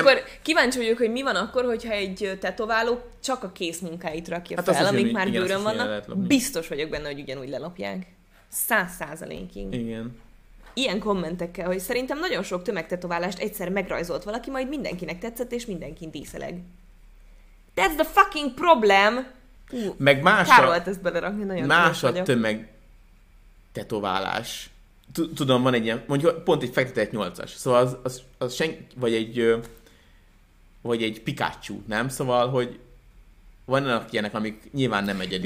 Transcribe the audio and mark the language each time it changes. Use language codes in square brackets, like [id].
[hu] akkor kíváncsi vagyok, hogy mi van akkor, hogyha egy tetováló csak a kész munkáit rakja hát fel, amik már bőrön vannak, biztos vagyok benne, hogy ugyanúgy lelopják. 100%-ig. Igen. Ilyen kommentekkel, hogy szerintem nagyon sok tömegtetoválást egyszer megrajzolt valaki, majd mindenkinek tetszett, és mindenkin díszeleg. [en] That's the fucking problem! [hu] Meg más kár volt ezt belerakni, nagyon más a tömegtetoválás. Tudom, van egy ilyen, mondjuk pont egy fektete egy 8-as, szóval az senki, vagy egy Pikachu, nem? Szóval, hogy vannak ilyenek, amik nyilván nem egyedi